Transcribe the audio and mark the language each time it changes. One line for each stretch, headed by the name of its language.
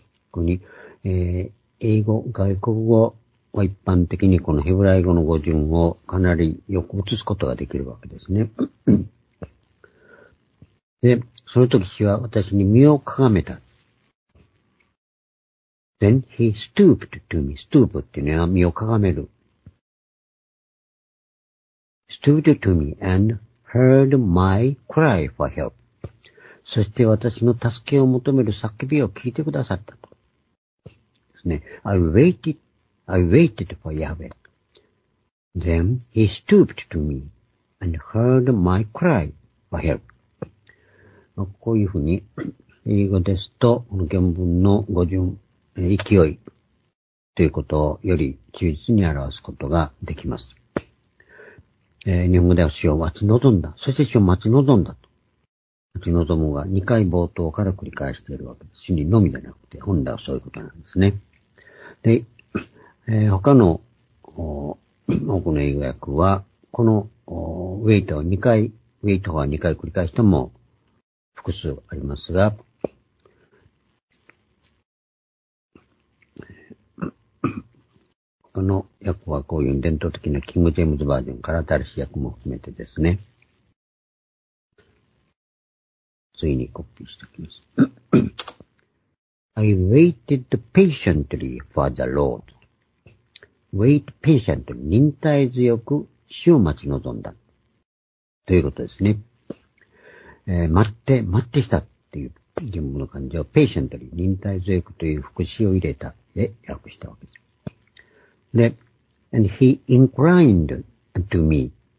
Japanese: ここに、英語、外国語は一般的にこのヘブライ語の語順をかなりよく写すことができるわけですね。で、その時、主は私に身をかがめた。
English: Then he stooped to me.
Japanese: stoop っていうのは身をかがめる。
English: stooped to me and heard my cry for help.
Japanese: そして私の助けを求める叫びを聞いてくださったと。ですね。
English: I waited for Yahweh. Then he stooped to me and heard my cry for help.
Japanese: こういうふうに、英語ですと、この原文の語順、勢いということをより忠実に表すことができます。日本語では主を待ち望んだ。そして主を待ち望んだと。待ち望むが2回冒頭から繰り返しているわけです。主にのみじゃなくて、本来はそういうことなんですね。で、他の、多くの英語訳は、この、ウェイトは2回繰り返しても、複数ありますが、他の訳はこういう伝統的なキング・ジェームズバージョンから新しい訳も含めてですね。次にコピーしておきます。
English: I waited patiently for the Lord. Wait patiently.
Japanese: 忍耐強く主を待ち望んだ。ということですね。待って、待ってしたっていう疑問の感情、patiently、忍耐強くという副詞を入れた、で、訳したわけです。
English: で、and he inclined to me.